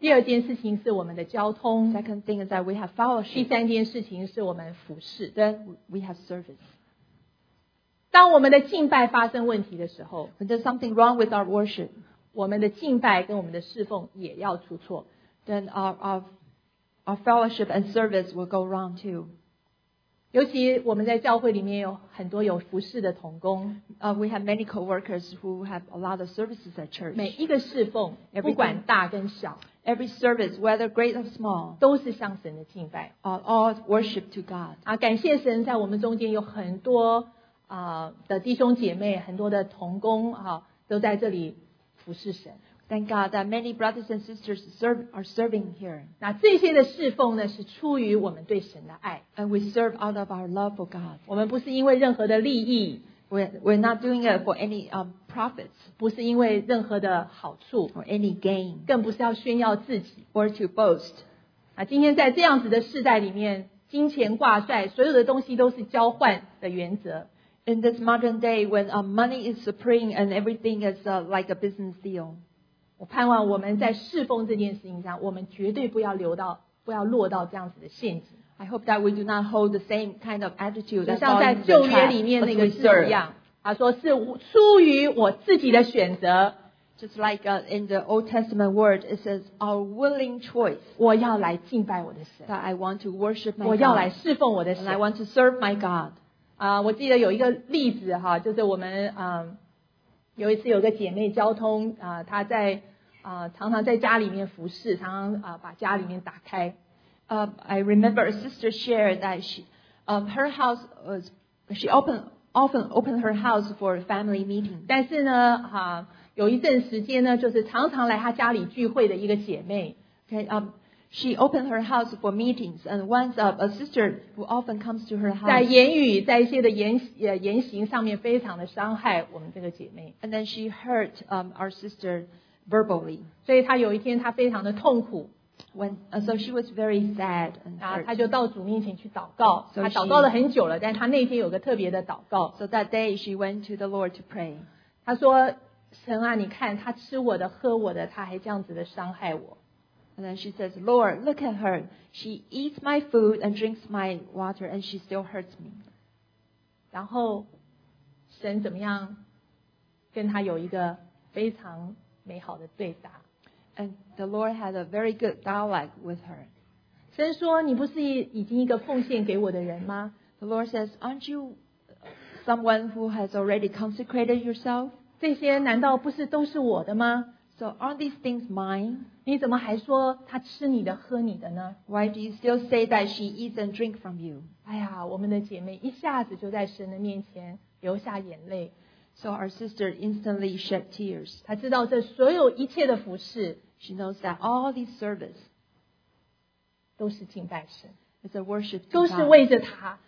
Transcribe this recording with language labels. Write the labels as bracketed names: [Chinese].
[Chinese] 第二件事情是我们的交通。 [English] Second thing is that we have fellowship. [Chinese] 第三件事情是我们服侍。 [English] Then we have service. [Chinese] 当我们的敬拜发生问题的时候 [English] ，When there's something wrong with our worship, [Chinese] 我们的敬拜跟我们的侍奉也要出错。 [English] Then our fellowship and service will go wrong too. [Chinese] 尤其我们在教会里面有很多有服事的同工。 [English] We have many co-workers who have a lot of services at church. [Chinese] 每一个侍奉 [English] Everything, [Chinese] 不管大跟小 [English] Every service, whether great or small, [Chinese] 都是向神的敬拜。 [English] All worship to God. [Chinese] 感谢神在我们中间有很多的弟兄姐妹，很多的同工都在这里服事神。 [English] Thank God that many brothers and sisters are serving here. [Chinese] 那这些的侍奉呢，是出于我们对神的爱。 [English] And we serve out of our love for God. [Chinese] 我们不是因为任何的利益。 [English] We're not doing it for any profits. [Chinese] 不是因为任何的好处。 [English] Or any gain. [Chinese] 更不是要炫耀自己。 [English] Or to boast. [Chinese] 那今天在这样子的世代里面，金钱挂帅，所有的东西都是交换的原则。 [English] In this modern day, when money is supreme and everything is like a business deal. [Chinese] 我盼望我们在侍奉这件事情上，我们绝对不要落到这样子的陷阱。 [English] I hope that we do not hold the same kind of attitude. [Chinese] 就像在旧约里面那个字一样，他说是出于我自己的选择。 [English] Just like in the Old Testament word, it says our willing choice. [Chinese] 我要来敬拜我的神。 [English] That I want to worship my God. [Chinese] 我要来侍奉我的神。 [English] And I want to serve my God. [Chinese] 我记得有一个例子哈，就是我们有一次有个姐妹交通她在常常在家里面服侍，常常把家里面打开。 [English] I remember a sister shared that her house was she often opened her house for family meeting. [Chinese] 但是呢，有一阵时间呢，就是常常来她家里聚会的一个姐妹。 [English] Okay, she opened her house for meetings, and once a sister who often comes to her house. [Chinese] 在言语，在一些的言行上面，非常的伤害我们这个姐妹。 [English] And then she hurt our sister verbally. [Chinese] 所以她有一天，她非常的痛苦。 [English] So she was very sad and hurt. [Chinese] 她就到主面前去祷告。 [English] So、 [Chinese] 她祷告了很久了，但她那天有个特别的祷告。 [English] So that day she went to the Lord to pray. [Chinese] 她说：“神啊，你看她吃我的，喝我的，她还这样子的伤害我。” [English] And then she says, "Lord, look at her. She eats my food and drinks my water, and she still hurts me." [Chinese] 然后神怎么样跟她有一个非常美好的对答？ [English] And the Lord had a very good dialogue with her. [Chinese] 神说，你不是已经一个奉献给我的人吗？ [English] The Lord says, aren't you someone who has already consecrated yourself? [Chinese] 这些难道不是都是我的吗？ [English] So aren't these things mine? [Chinese] 你怎么还说她吃你的喝你的呢？ [English] Why do you still say that she eats and drinks from you? [Chinese] 哎呀，我们的姐妹一下子就在神的面前流下眼泪。 [English] So our sister instantly shed tears. [Chinese] 她知道这所有一切的服事， [English] she knows that all these service [Chinese] 都是敬拜神， [English] it's a worship to [Chinese] God. 都是为着他，